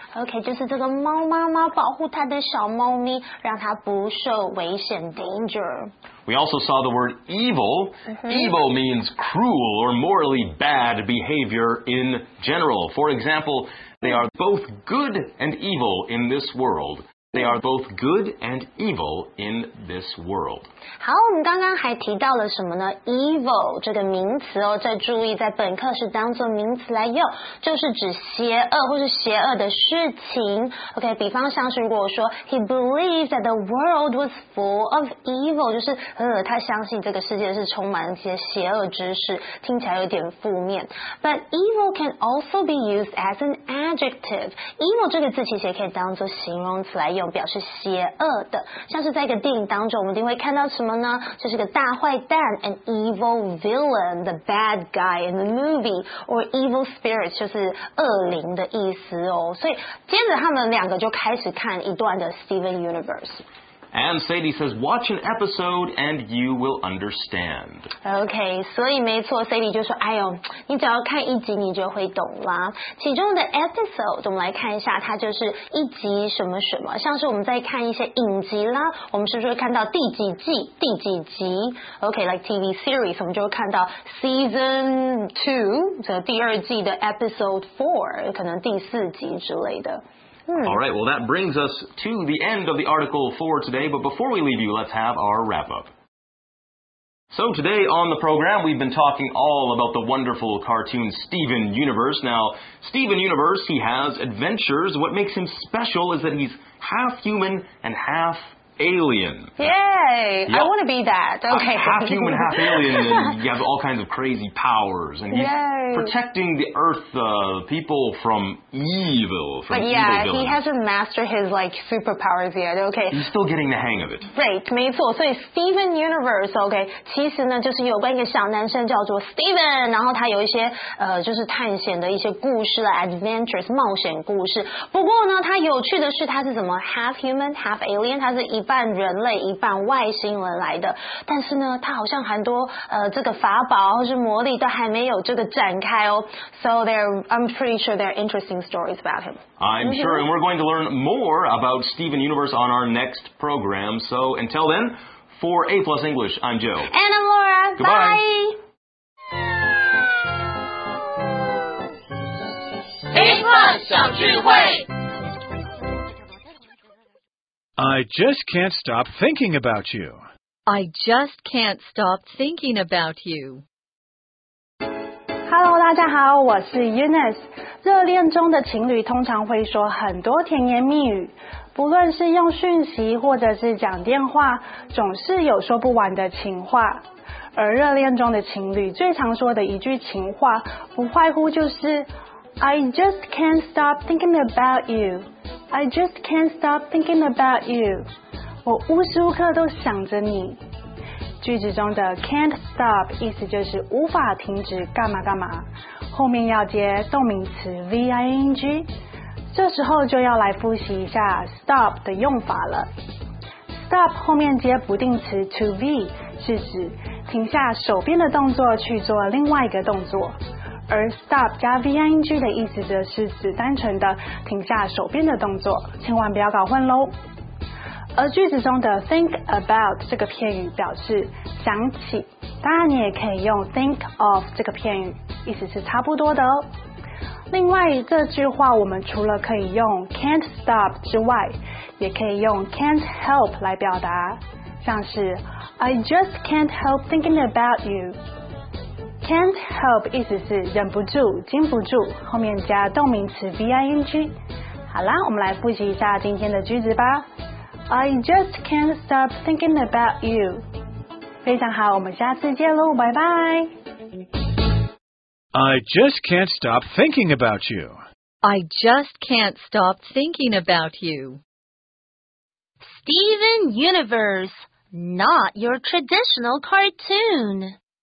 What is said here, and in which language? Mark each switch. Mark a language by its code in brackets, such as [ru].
[zh] Okay, 就是这个猫妈妈保护她的小猫咪，让她不受危险 danger. [en] We also saw the word evil. Mm-hmm. Evil means cruel or morally bad behavior in general. For example, they are both good and evil in this world. They are both good and evil in this world. [zh] 好，我们刚刚还提到了什么呢 ？Evil 这个名词哦，再注意，在本课是当作名词来用，就是指邪恶或是邪恶的事情。 OK， 比方像是如果说 [en] he believed that the world was full of evil， [zh] 就是他相信这个世界是充满一些邪恶知识，听起来有点负面。 [en] But evil can also be used as an adjective. [zh] Evil 这个字其实也可以当作形容词来。用表示邪恶的，像是在一个电影当中，我们一定会看到什么呢？就是个大坏蛋 [en] ，an evil villain, the bad guy in the movie, or evil spirit, [zh] 就是恶灵的意思哦。所以接着他们两个就开始看一段的 Steven Universe。 [en] And Sadie says, watch an episode and you will understand. [zh] Okay, 所以没错 ,Sadie 就说哎呦你只要看一集你就会懂啦。其中的 episode, 我们来看一下它就是一集什么什么。像是我们在看一些影集啦我们是不是会看到第几季第几集。 [en] Okay, like TV series, [zh] 我们就会看到 season 2, 这第二季的 episode 4, 可能第四集之类的。 [en] All right, well, that brings us to the end of the article for today. But before we leave you, let's have our wrap-up. So today on the program, we've been talking all about the wonderful cartoon Steven Universe. Now, Steven Universe, he has adventures. What makes him special is that he's half human and half alien. Yay! Yep. I want to be that. Okay. Half human, half alien, and he has all kinds of crazy powers. And he's protecting the Earth people from evil. He hasn't mastered his like, superpowers yet. Okay. He's still getting the hang of it. Right, [zh] 没错。所以 Steven Universe, okay, 其实呢就是有关一个小男生叫做 Steven, 然后他有一些就是探险的一些故事 adventures, 冒险故事。不过呢他有趣的是他是怎么 [en] half human, half alien, [zh] 他是一半人类一半外星人来的但是呢他好像很多这个法宝或是魔力都还没有这个展开哦 [en] So I'm pretty sure there are interesting stories about him I'm sure and we're going to learn more about Steven Universe on our next program So until then for A Plus English I'm Joe And I'm Laura Goodbye [zh] A Plus 小聚会 [en] I just can't stop thinking about you. I just can't stop thinking about you. [zh] Hello, 大家好，我是 Eunice。热恋中的情侣通常会说很多甜言蜜语，不论是用讯息或者是讲电话，总是有说不完的情话。而热恋中的情侣最常说的一句情话，不外乎就是 [en] I just can't stop thinking about you. I just can't stop thinking about you. [zh] 我无时无刻都想着你。句子中的 can't stop 意思就是无法停止干嘛干嘛，后面要接动名词 ving。这时候就要来复习一下 stop 的用法了。 stop 后面接不定词 to be 是指停下手边的动作去做另外一个动作。而 stop 加 ving 的意思则是指单纯的停下手边的动作，千万不要搞混咯。而句子中的 think about 这个片语表示想起，当然你也可以用 think of 这个片语，意思是差不多的哦。另外这句话我们除了可以用 can't stop 之外，也可以用 can't help 来表达，像是 [en] I just can't help thinking about you。 [zh] Can't help 意思是忍不住、禁不住，后面加动名词 ving，好啦，我们来复习一下今天的句子吧。 [en] I just can't stop thinking about you. [zh] 非常好，我们下次见喽，拜拜。 [en] I just can't stop thinking about you. I just can't stop thinking about you. Steven Universe, not your traditional cartoon.